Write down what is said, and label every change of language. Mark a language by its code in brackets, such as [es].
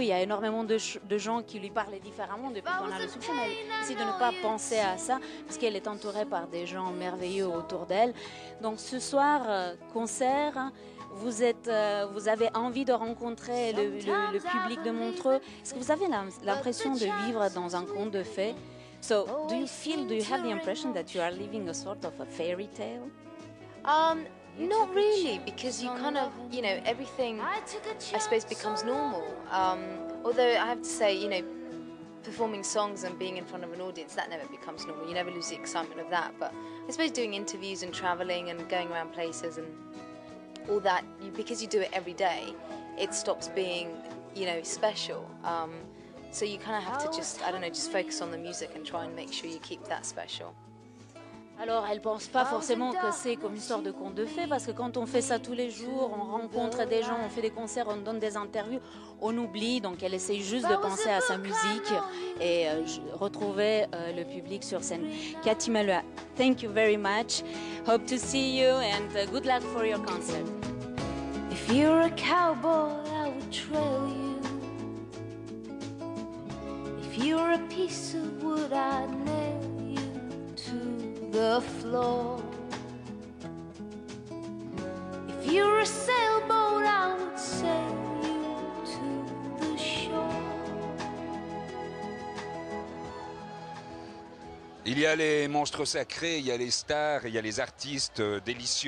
[fr] Il y a énormément de gens qui lui parlent différemment depuis qu'on a le succès, mais elle essaie de ne pas penser à ça parce qu'elle est entourée par des gens merveilleux autour d'elle. Donc ce soir, concert. Vous avez envie de rencontrer le public de Montreux. Est-ce que vous avez l'impression de vivre dans un conte de fées? [en] So, do you have the impression that you are living a sort of a fairy tale? Not really, because you kind of, you know, everything, I suppose, becomes normal. Although I have to say, you know, performing songs and being in front of an audience, that never becomes normal. You never lose the excitement of that. But I suppose doing interviews and traveling and going around places and all that, because you do it every day, it stops being, you know, special. So you kind of have to just focus on the music and try and make sure you keep that special. [fr] Alors, elle pense pas forcément que c'est comme une sorte de conte de fées, parce que quand on fait ça tous les jours, on rencontre des gens, on fait des concerts, on donne des interviews, on oublie. Donc, elle essaye juste de penser à sa musique et retrouver le public sur scène. [en] Katie Melua, thank you very much. Hope to see you and good luck for your concert. If you're a cowboy, I would trail you. If you're a piece of wood, I'd nail you to the floor. If you're a sailboat, I would sail you to the shore. [fr] Il y a les monstres sacrés, il y a les stars, il y a les artistes délicieux.